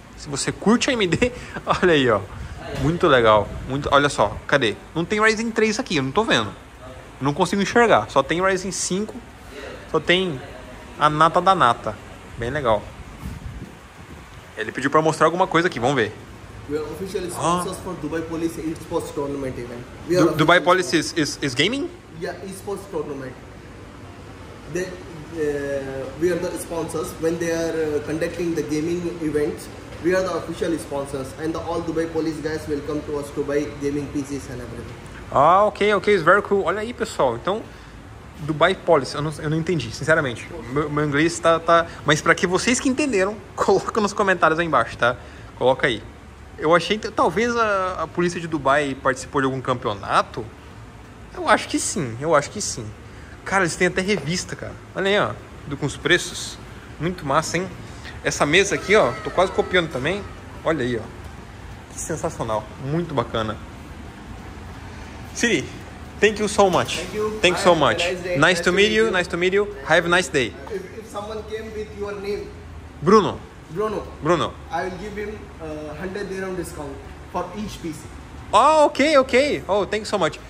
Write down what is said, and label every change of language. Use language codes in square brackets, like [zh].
[pt] Se você curte AMD, olha aí, ó. Muito legal. Muito... olha só, cadê? Não tem Ryzen 3 aqui, eu não tô vendo. Eu não consigo enxergar. Só tem Ryzen 5. Só tem a nata da nata. Bem legal. Ele pediu pra mostrar alguma coisa aqui, vamos ver. [en] We are officially sponsors for Dubai Police Esports Tournament event. Dubai Police is gaming? Yeah, esports tournament. We are the sponsors. When they are conducting the gaming events, we are the official sponsors. And the all Dubai Police guys will come to us to buy gaming PCs and everything. Ah, okay, okay, it's very cool. [pt] Olha aí, pessoal. Então, Dubai Police, eu não entendi, sinceramente. Meu inglês tá... mas pra que vocês que entenderam, coloca nos comentários aí embaixo, tá? Coloca aí. Eu achei que talvez a polícia de Dubai participou de algum campeonato. Eu acho que sim, eu acho que sim. Cara, eles têm até revista, cara. Olha aí, ó, com os preços. Muito massa, hein? Essa mesa aqui, ó, tô quase copiando também. Olha aí, ó. Que sensacional, muito bacana. [en] Siri, thank you so much. Thank you. Thank you so much. Nice to meet you, nice to meet you. Have a nice day. If someone came with your name... Bruno. Bruno, I will give him 100 dirham discount for each PC. Oh, okay. Oh, thank you so much.